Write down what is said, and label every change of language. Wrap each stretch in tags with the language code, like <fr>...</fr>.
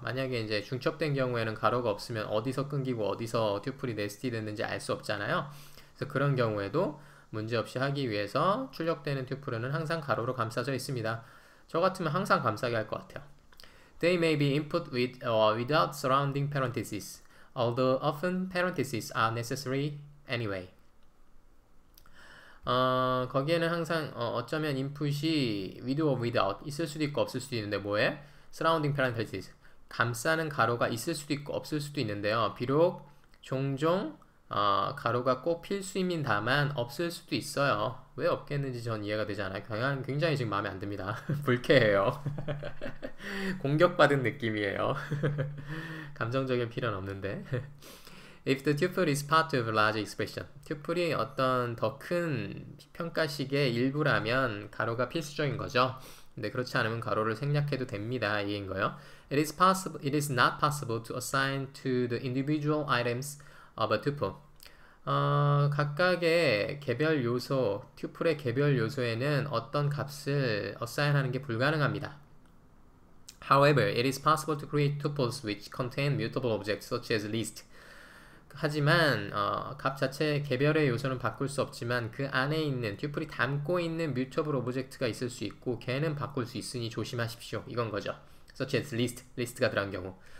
<ko>만약에 이제 중첩된 경우에는 가로가 없으면 어디서 끊기고 어디서 튜플이 nested 됐는지 알수 없잖아요. 그래서 그런 경우에도 문제없이 하기 위해서 출력되는 튜플에는 항상 가로로 감싸져 있습니다. 저 같으면 항상 감싸게 할것 같아요.</ko> <en>They may be input with or without surrounding parentheses, although often parentheses are necessary anyway.</en> <ko>거기에는 항상 어쩌면 input이</ko> <en>with or without</en> <ko>있을 수도 있고 없을 수도 있는데 뭐에?</ko> <en>surrounding parentheses.</en> <ko>감싸는 가로가 있을 수도 있고 없을 수도 있는데요. 비록 종종 가로가 꼭 필수입니다만 없을 수도 있어요. 왜 없겠는지 전 이해가 되지 않아요? 굉장히 지금 마음에 안 듭니다. 불쾌해요. 공격받은 느낌이에요. 감정적인 필요는 없는데.</ko> <en>If the tuple is part of a large expression,</en> <ko>튜플이 어떤 더큰 평가식의 일부라면 가로가 필수적인 거죠. 근데 그렇지 않으면 가로를 생략해도 됩니다. 이해인 거예요.</ko> <en>It is not possible to assign to the individual items of a tuple.</en> <ko>각각의 개별 요소, 튜플의 개별 요소에는 어떤 값을 어사인하는 게 불가능합니다.</ko> <en>However, it is possible to create tuples which contain mutable objects such as list.</en> <ko>하지만 값 자체의 개별의 요소는 바꿀 수 없지만 그 안에 있는 튜플이 담고 있는 mutable object가 있을 수 있고 걔는 바꿀 수 있으니 조심하십시오. 이건 거죠.</ko> <en>Such as list</en> <ko>가 들어간 경우.</ko>